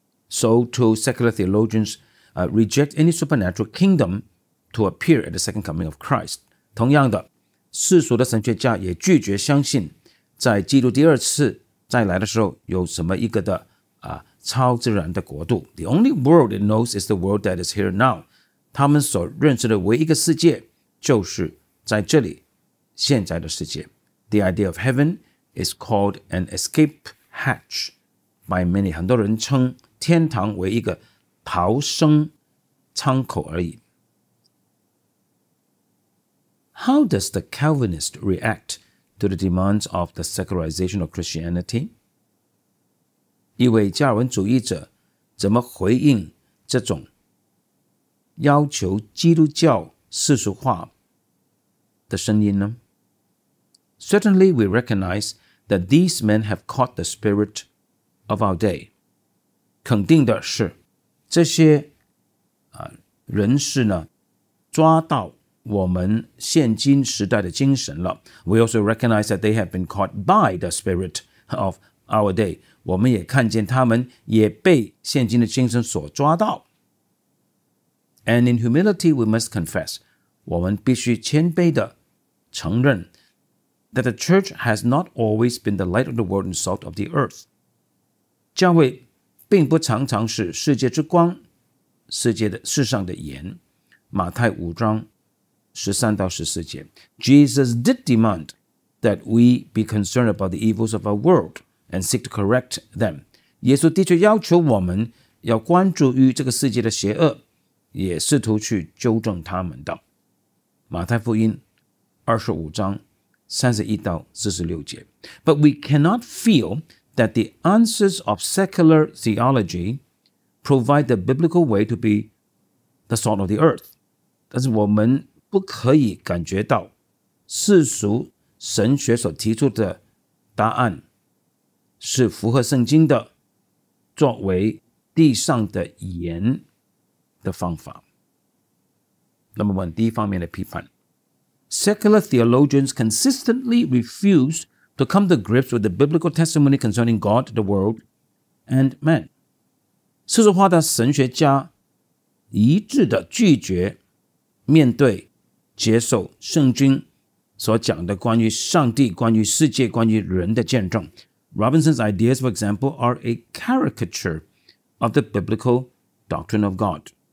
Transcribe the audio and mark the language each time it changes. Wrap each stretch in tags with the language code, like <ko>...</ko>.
<en>So to secular theologians, reject any supernatural kingdom to appear at the second coming of Christ.</en> <zh>同样的，世俗的神学家也拒绝相信，在基督第二次再来的时候有什么一个的超自然的国度。</zh> <en>The only world it knows is the world that is here now.</en> <zh>他们所认识的唯一个世界就是在这里现在的世界。</zh> <en>The idea of heaven is called an escape hatch by many.</en> <zh>很多人称天堂为一个逃生舱口而已。</zh> <en>How does the Calvinist react to the demands of the secularization of Christianity?</en> <zh>一位加尔文主义者怎么回应这种要求基督教世俗化的声音呢？</zh> <en>Certainly we recognize that these men have caught the spirit of our day.</en> <zh>肯定的是，这些人士呢，抓到我们现今时代的精神了。</zh> <en>We also recognize that they have been caught by the spirit of our day.</en> <zh>我们也看见他们也被现今的精神所抓到。</zh> <en>And in humility we must confess,</en> <zh>我们必须谦卑地承认</zh> <en>that the church has not always been the light of the world and salt of the earth.</en> <zh>教会并不常常是世界之光，世上的盐。马太五章13-14节</zh> <en>Jesus did demand that we be concerned about the evils of our world and seek to correct them.</en> <zh>耶稣的确要求我们要关注于这个世界的邪恶，也试图去纠正他们的。马太福音25:31-46节</zh> <en>But we cannot feel that the answers of secular theology provide the biblical way to be the salt of the earth.</en> <zh>但是我们不可以感觉到世俗神学所提出的答案是符合圣经的作为地上的盐的方法。</zh> <en>Number one,</en> <zh>第一方面的批判。</zh> <en>Secular theologians consistently refuse to come to grips with the biblical testimony concerning God, the world, and man.</en> <zh>世俗化的神学家一致的拒绝面对接受圣经所讲的关于上帝、关于世界、关于人的见证。</zh> <en>Robinson's ideas, for example, are a caricature of the biblical doctrine of God.</en>